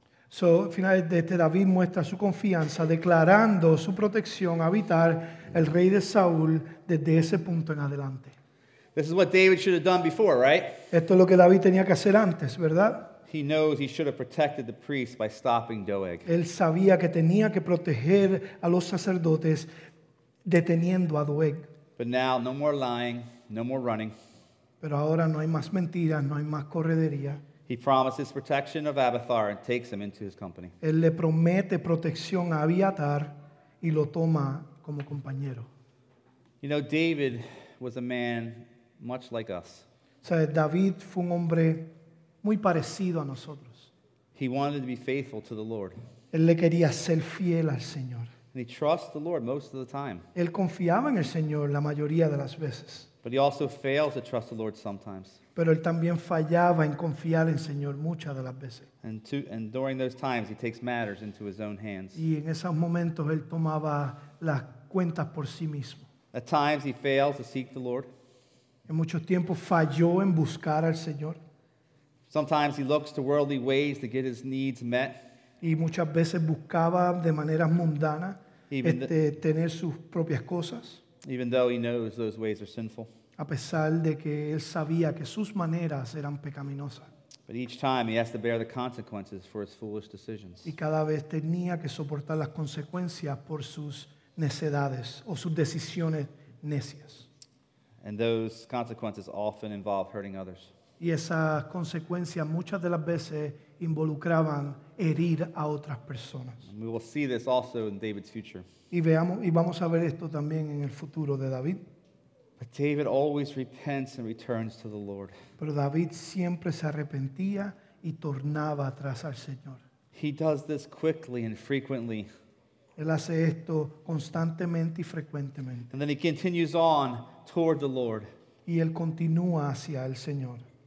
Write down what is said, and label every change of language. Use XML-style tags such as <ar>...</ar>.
<es>So, finalmente David muestra su confianza declarando su protección a Abiathar, el rey de Saúl, desde ese punto en adelante.</es> <en>This is what David should have done before, right?</en> <es>Esto es lo que David tenía que hacer antes, ¿verdad?</es> <en>He knows he should have protected the priest by stopping Doeg.</en> <es>Él sabía que tenía que proteger a los sacerdotes deteniendo a Doeg.</es> <en>But now, no more lying, no more running.</en> <es>Pero ahora no hay más mentiras, no hay más corredería.</es> <en>He promises protection of Abiathar and takes him into his company.</en> <es>Él le promete protección a Abiathar y lo toma como compañero.</es> <en>You know, David was a man much like us.</en> <es>O sea, David fue un hombre muy parecido a nosotros.</es> <en>He wanted to be faithful to the Lord.</en> <es>Él le quería ser fiel al Señor.</es> <en>And he trusts the Lord most of the time.</en> <es>Él confiaba en el Señor la mayoría de las veces.</es> <en>But he also fails to trust the Lord sometimes.</en> <es>Pero él también fallaba en confiar en Señor muchas de las veces.</es> <en>And during those times, he takes matters into his own hands.</en> <es>Y en esos momentos él tomaba las cuentas por sí mismo.</es> <en>At times he fails to seek the Lord.</en> <es>En muchos tiempos falló en buscar al Señor.</es> <en>Sometimes he looks to worldly ways to get his needs met.</en> <es>Y muchas veces buscaba de manera mundana tener sus propias cosas.</es> <en>Even though he knows those ways are sinful.</en> <es>A pesar de que él sabía que sus maneras eran pecaminosas.</es> <en>But each time he has to bear the consequences for his foolish decisions.</en> <es>Y cada vez tenía que soportar las consecuencias por sus necedades o sus decisiones necias.</es> <en>And those consequences often involve hurting others.</en> <es>Y esas consecuencias muchas de las veces involucraban herir a otras personas.</es> <en>And we will see this also in David's future.</en> <es>Y vamos a ver esto también en el futuro de David.</es> <en>But David always repents and returns to the Lord.</en> <es>Pero David siempre se arrepentía y tornaba atrás al Señor.</es> <en>He does this quickly and frequently.</en> <es>Él hace esto constantemente y frecuentemente.</es> <en>And then he continues on toward the Lord.</en> <es>Y él continúa hacia el Señor.</es>